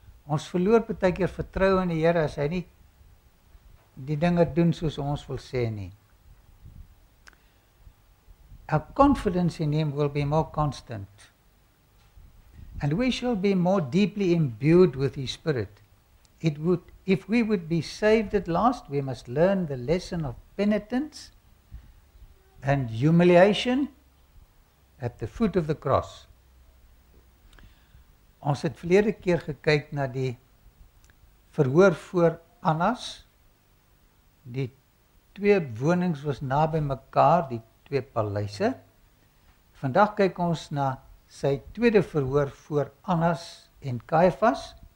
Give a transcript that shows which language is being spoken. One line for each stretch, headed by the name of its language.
Afrikaans: Ons verloor baie keer vertroue in die Here as hy nie die dinge doen soos ons wil sê nie.
English: Our confidence in him will be more constant, and we shall be more deeply imbued with his spirit. If we would be saved at last, we must learn the lesson of penitence and humiliation at the foot of the cross.
Afrikaans: Ons het verlede keer gekyk na die verhoor voor Annas. Die twee wonings was naby mekaar, die twee paleise. Vandag kyk ons na sy tweede verhoor voor Annas en Caiaphas.